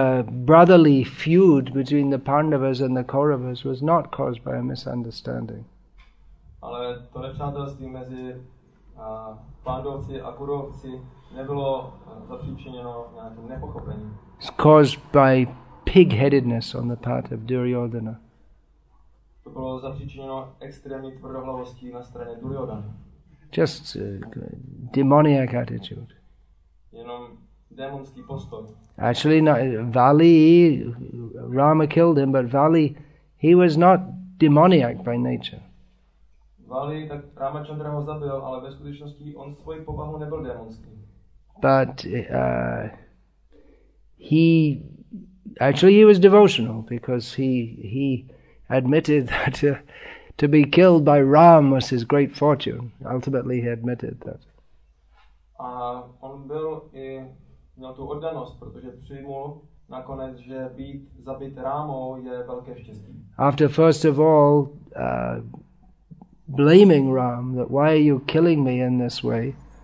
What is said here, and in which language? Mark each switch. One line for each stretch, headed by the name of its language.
English: Brotherly feud between the Pandavas and the Kauravas was not caused by a misunderstanding.
Czech: Ale to nepřátelství mezi Pandovci a Kurovci nebylo zapříčiněno nějakým nepochopením.
English: It's caused by pig-headedness on the part of Duryodhana.
Czech: To bylo zapříčiněno extrémní tvrdohlavostí na straně Duryodhana.
English: Just demoniac attitude.
Czech: Jenom démonský postoj.
English: Actually, not, Vali, Rama killed him, but Vali, he was not demoniac by nature.
Czech: Vali, tak Ramachandra ho zabil, ale ve skutečnosti on svojí povahu nebyl démonský.
English: But he actually he was devotional because he admitted that to be killed by Ram was his great fortune. Ultimately, he admitted that.
Czech: A on byl i měl tu oddanost, protože přijmul nakonec, že být zabit Rámou je velké štěstí.
English: After first of all blaming Ram, that why are you killing me in this way?